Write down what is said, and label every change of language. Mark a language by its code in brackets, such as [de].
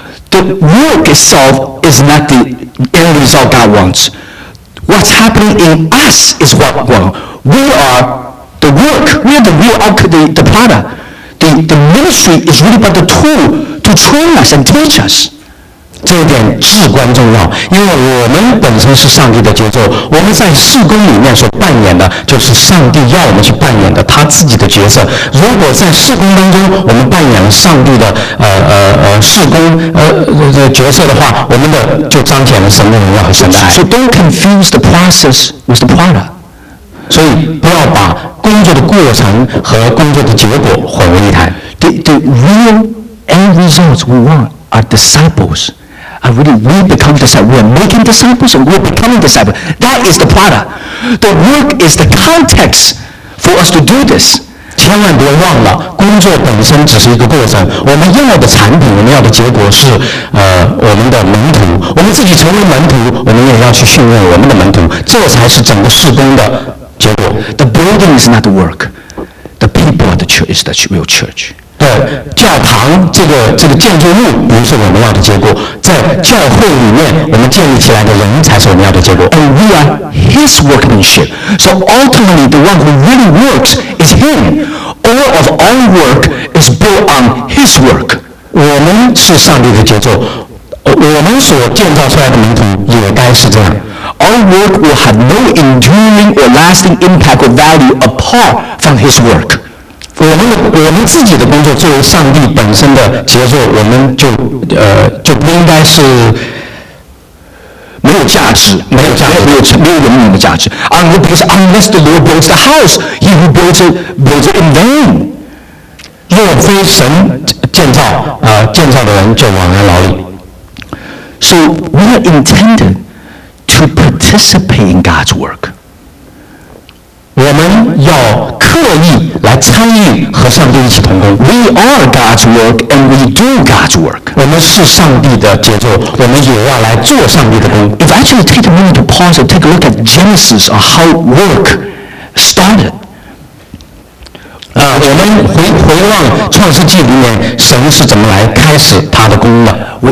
[en] The work itself is not the end result God wants. What's happening in us is what we want. We are the work. We are the real output, the product. The ministry is really but the tool to train us and teach us. [zh] 这一点至关重要，因为我们本身是上帝的杰作，我们在事工里面所扮演的就是上帝要我们去扮演的他自己的角色。如果在事工当中我们扮演了上帝的事工角色的话，我们的就彰显了神的荣耀和神的爱。 [en] So don't confuse the process with the product. [zh] 所以不要把工作的过程和工作的结果混为一谈。 [en] The real end results we want. Are disciples. And really, we become disciples. We are making disciples and we are becoming disciples. That is the product. The work is the context for us to do this. [zh] 千万别忘了，工作本身只是一个过程。我们要的产品，我们要的结果是我们的门徒。我们自己成为门徒，我们也要去训练我们的门徒。这才是整个事工的结果。 [en] The building is not the work. The people are the church, is the real church. [zh] 对，教堂这个建筑物不是我们要的结果，在教会里面我们建立起来的人才是我们要的结果。 [en] And we are His workmanship. So ultimately, the one who really works is Him. All of our work is built on His work. [zh] 我们是上帝的杰作，我们所建造出来的门徒也该是这样。 [en] Our work will have no enduring or lasting impact or value apart from His work. [zh] 我们自己的工作作为上帝本身的杰作，我们就不应该是没有价值，没有价值，没有永远的价值。 [en] Because unless the Lord builds the house, He will build it in vain. [zh] 若非神建造的人就枉然劳力。 [en] So we are intended to participate in God's work. [zh] 我们要刻意来参与和上帝一起同工。 [en] We are God's work and we do God's work. [zh] 我们是上帝的杰作，我们也要来做上帝的工。 [en] If I actually take a moment to pause and take a look at Genesis on how work started. [zh] 我们回望创世纪里面神是怎么来开始他的工的。